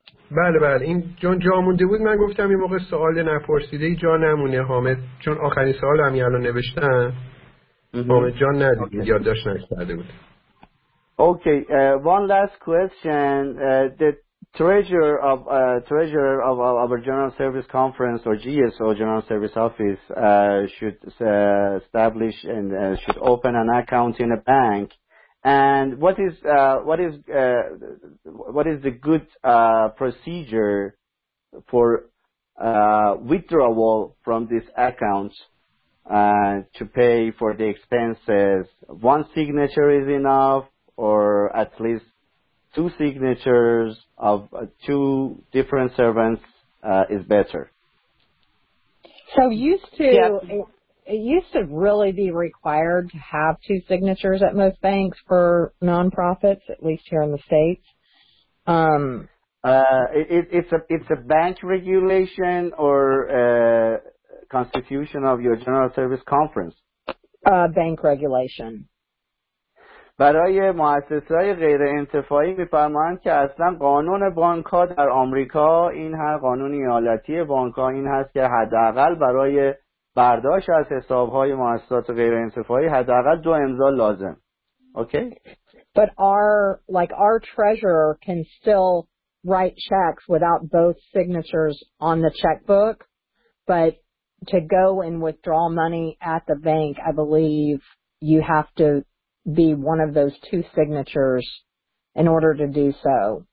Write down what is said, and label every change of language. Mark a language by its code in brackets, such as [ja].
[fa] بله بله، این جون جا مونده بود، من گفتم این موقع سوال نپرسیده ای جا نمونه حامد، چون آخرین سوال همی الان نوشتم حامد جان ندید یاد داشت نکرده بود. [en] Okay, one last question. The treasurer of our General Service Conference or GSO General Service Office should establish and should open an account in a bank. And what is the good procedure for withdrawal from this account to pay for the expenses? One signature is enough, or at least two signatures of two different servants is better. So it used to really be required to have two signatures at most banks for nonprofits, at least here in the States. It's a bank regulation or a constitution of your General Service Conference? Bank regulation. [fa] برای مؤسسات غیر انتفاعی میفرمایند که اصلا قانون بانک‌ها در آمریکا این هر قانون ایالتی بانک‌ها این هست که حداقل برای برداشت از حساب‌های مؤسسات غیر انتفاعی حداقل دو امضا لازم. اوکی؟ [en] but our treasurer can still write checks without both signatures on the checkbook, but to go and withdraw money at the bank, I believe you have to be one of those two signatures in order to do so.